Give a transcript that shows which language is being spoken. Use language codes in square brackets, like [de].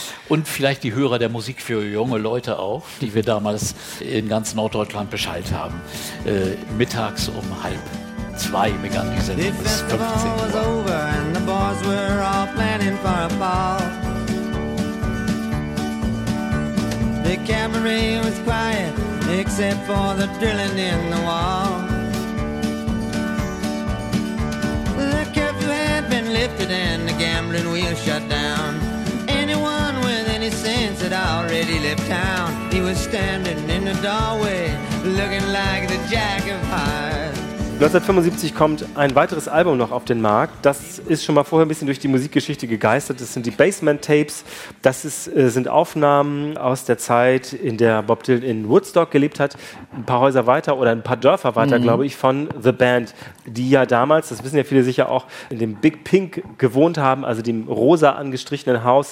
[de] Und vielleicht die Hörer der Musik für junge Leute auch, die wir damals in ganz Norddeutschland Bescheid haben. Mittags um 1:30 begann die Sendung bis 15 Uhr. [en] The cabaret was quiet, except for the drilling in the wall. The curfew had been lifted and the gambling wheel shut down. Anyone with any sense had already left town. He was standing in the doorway, looking like the Jack of Hearts. [de] 1975 kommt ein weiteres Album noch auf den Markt. Das ist schon mal vorher ein bisschen durch die Musikgeschichte gegeistert. Das sind die Basement Tapes. Das ist, sind Aufnahmen aus der Zeit, in der Bob Dylan in Woodstock gelebt hat. Ein paar Häuser weiter oder ein paar Dörfer weiter, glaube ich, von The Band, die ja damals, das wissen ja viele sicher auch, in dem Big Pink gewohnt haben, also dem rosa angestrichenen Haus.